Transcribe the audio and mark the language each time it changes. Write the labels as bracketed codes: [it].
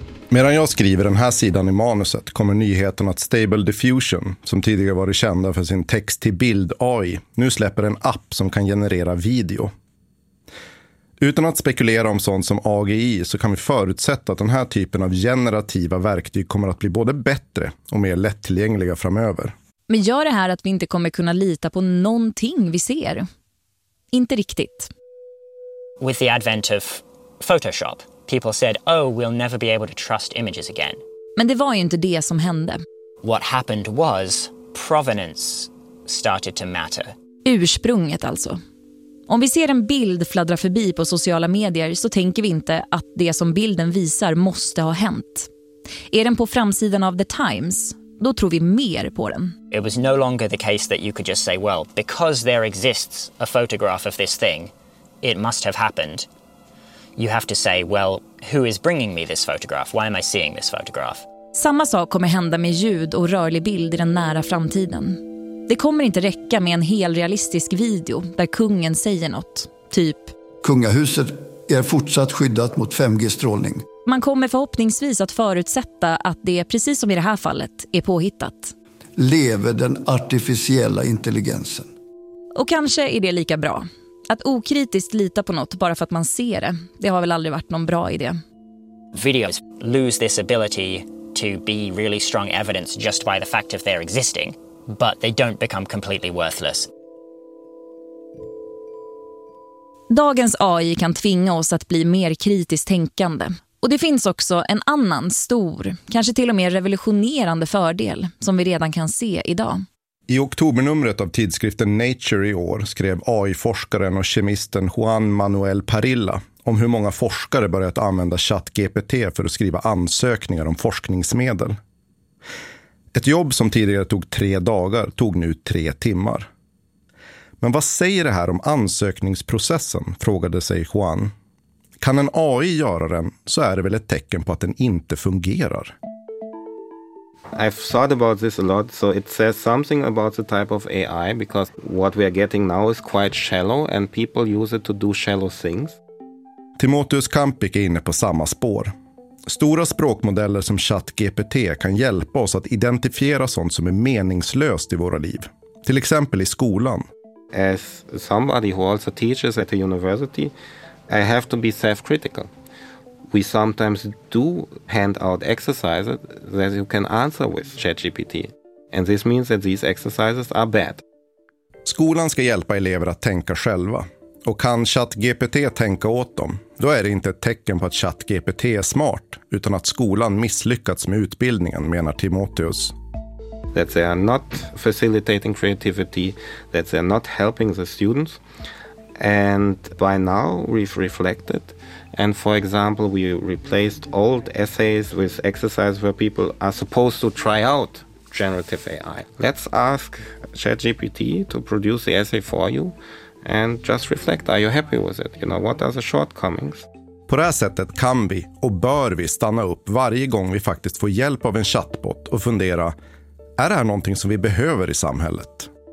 [sv] Medan jag skriver den här sidan i manuset kommer nyheten att Stable Diffusion, som tidigare varit kända för sin text-till-bild AI, nu släpper en app som kan generera video. Utan att spekulera om sånt som AGI så kan vi förutsätta att den här typen av generativa verktyg kommer att bli både bättre och mer lättillgängliga framöver. Men gör det här att vi inte kommer kunna lita på någonting vi ser? Inte riktigt. [en] With the advent of Photoshop, people said, oh, we'll never be able to trust images again. [sv] Men det var ju inte det som hände. [en] What happened was provenance started to matter. [sv] Ursprunget alltså. Om vi ser en bild fladdra förbi på sociala medier så tänker vi inte att det som bilden visar måste ha hänt. Är den på framsidan av The Times, då tror vi mer på den. [en] It was no longer the case that you could just say, well, because there exists a photograph of this thing, it must have happened. You have to say, well, who is bringing me this photograph? Why am I seeing this photograph? [sv] Samma sak kommer hända med ljud och rörlig bild i den nära framtiden. Det kommer inte räcka med en hel realistisk video där kungen säger något, typ kungahuset är fortsatt skyddat mot 5G-strålning. Man kommer förhoppningsvis att förutsätta att det, precis som i det här fallet, är påhittat. Lever den artificiella intelligensen. Och kanske är det lika bra. Att okritiskt lita på något bara för att man ser det, det har väl aldrig varit någon bra idé. [en] Videos lose this ability to be really strong evidence just by the fact of their existing. But they don't become completely worthless. [sv] Dagens AI kan tvinga oss att bli mer kritiskt tänkande. Och det finns också en annan stor, kanske till och med revolutionerande fördel som vi redan kan se idag. I oktobernumret av tidskriften Nature i år skrev AI-forskaren och kemisten Juan Manuel Parilla om hur många forskare börjat använda ChatGPT för att skriva ansökningar om forskningsmedel. Ett jobb som tidigare tog 3 dagar tog nu 3 timmar. Men vad säger det här om ansökningsprocessen, frågade sig Juan. Kan en AI göra den så är det väl ett tecken på att den inte fungerar. [en] I've thought about this a lot. So it says something about the type of AI, because what we are getting now is quite shallow and people use it to do shallow things. [sv] Timotheus Kampik är inne på samma spår. Stora språkmodeller som ChatGPT kan hjälpa oss att identifiera sånt som är meningslöst i våra liv. Till exempel i skolan. [en] As somebody who also teaches at a university, I have to be self-critical. We sometimes do hand out exercises that you can answer with ChatGPT. And this means that these exercises are bad. [sv] Skolan ska hjälpa elever att tänka själva. Och kan ChatGPT tänka åt dem, då är det inte ett tecken på att ChatGPT är smart, utan att skolan misslyckats med utbildningen, menar Timotheus. [en] That they are not facilitating creativity, that they are not helping the students. And by now we've reflected. And for example, we replaced old essays with exercises where people are supposed to try out generative AI. Let's ask ChatGPT to produce the essay for you and just reflect, are you happy with it? You know, what are the shortcomings? [sv] På det här sättet kan vi och bör vi stanna upp varje gång vi faktiskt får hjälp av en chatbot och fundera, är det här någonting som vi behöver i samhället?